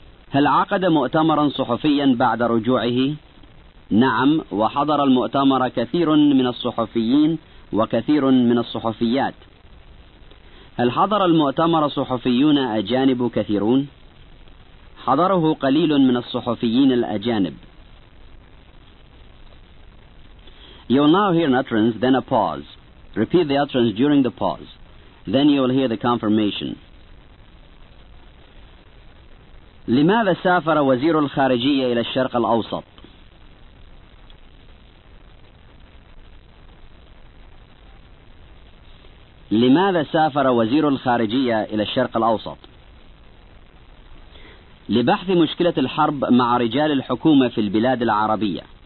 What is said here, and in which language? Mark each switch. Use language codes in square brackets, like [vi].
[ar] هل عقد مؤتمرا صحفيا بعد رجوعه؟ نعم، وحضر المؤتمر كثير من الصحفيين وكثير من الصحفيات. هل حضر المؤتمر صحفيون أجانب كثيرون؟ حضره قليل من الصحفيين الأجانب. [en] You'll now hear an utterance, then a pause. Repeat the utterance during the pause. Then you'll hear the confirmation. [ar] لماذا سافر وزير الخارجية إلى الشرق الأوسط؟ لماذا سافر وزير الخارجية إلى الشرق الأوسط؟ لبحث مشكلة الحرب مع رجال الحكومة في البلاد العربية.